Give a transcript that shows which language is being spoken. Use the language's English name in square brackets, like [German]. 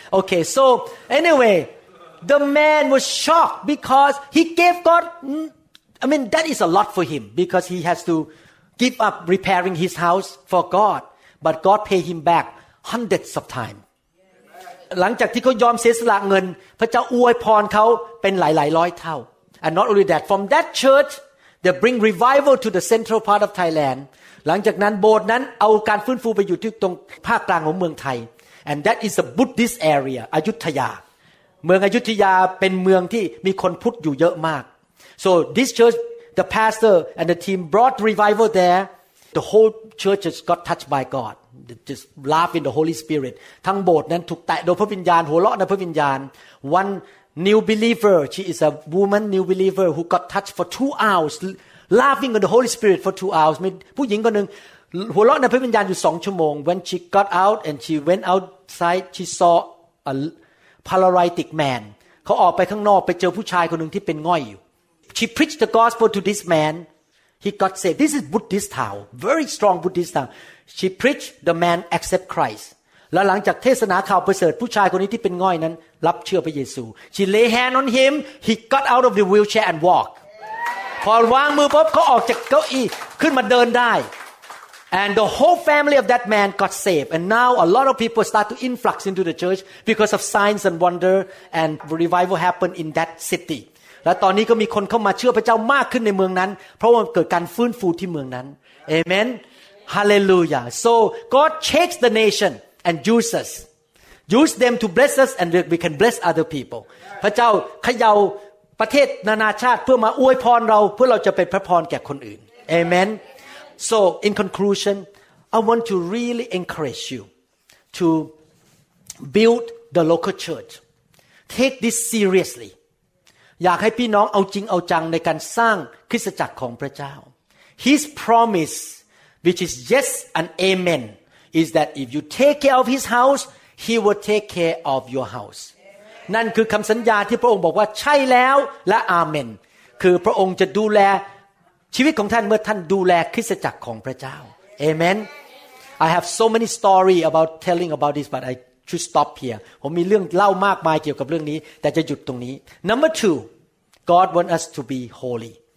[English] Okay, so anyway, the man was shocked because he gave God, that is a lot for him because he has to give up repairing his house for God. But God paid him back hundreds of times. [Thai] หลังจากที่เขายอมเสียสละเงินพระเจ้าอวยพรเขาเป็นหลายๆร้อยเท่า [English] And not only that, from that church, they bring revival to the central part of Thailand. [Thai] หลังจากนั้นโบสถ์นั้นเอาการฟื้นฟูไปอยู่ที่ตรงภาคกลางของเมืองไทย [English] And that is a Buddhist area, Ayutthaya. [Thai] เมืองอยุธยาเป็นเมืองที่มีคนพุทธอยู่เยอะมาก [English] So this church, the pastor and the team brought revival there. The whole church just got touched by God. Just laugh in the Holy Spirit. [Thai] ทั้งโบสถ์นั้นถูกแตะโดยพระวิญญาณหัวเราะในพระวิญญาณ [English] One new believer, she is a woman new believer who got touched for 2 hours, laughing in the Holy Spirit for 2 hours. [Thai] ผู้หญิงคนหนึ่งหัวเราะในพระวิญญาณอยู่2ชั่วโมง [English] when she got out and she went outside she saw a paralytic man [Thai] เขาออกไปข้างนอกไปเจอผู้ชายคนหนึ่งที่เป็นง่อยอยู่ [English] she preached the gospel to this man he got saved this is Buddhist town very strong Buddhist town she preached the man accept Christ [Thai] แล้วหลังจากเทศนาข่าวประเสริฐผู้ชายคนนี้ที่เป็นง่อยนั้นรับเชื่อพระเยซู [English] she lay hand on him he got out of the wheelchair and walk [Thai] พอวางมือปุ๊บเขาออกจากเก้าอี้ขึ้นมาเดินได้ [English] And the whole family of that man got saved. And now a lot of people start to influx into the church because of signs and wonder and revival happened in that city. [Thai] และตอนนี้ก็มีคนเข้ามาเชื่อพระเจ้ามากขึ้นในเมืองนั้นเพราะว่าเกิดการฟื้นฟูที่เมืองนั้น Amen. [English] Hallelujah. So God shakes the nation and uses. Use them to bless us and we can bless other people. [Thai] พระเจ้าเขย่าประเทศนานาชาติเพื่อมาอวยพรเราเพื่อเราจะเป็นพระพรแก่คนอื่น Amen. [English] So, in conclusion, I want to really encourage you to build the local church. Take this seriously. [Thai] อยากให้พี่น้องเอาจริงเอาจังในการสร้างคริสตจักรของพระเจ้า [English] His promise, which is yes and amen, is that if you take care of his house, he will take care of your house. [Thai] นั่นคือคำสัญญาที่พระองค์บอกว่าใช่แล้วและอาเมนคือพระองค์จะดูแลชีวิตของท่านเมื่อท่านดูแลคริสตจักรของพระเจ้า Amen [English] I have so many stories about telling about this but I should stop here [Thai] ผมมีเรื่องเล่ามากมายเกี่ยวกับเรื่องนี้แต่จะหยุดตรงนี้ [English] Number 2 God want us to be holy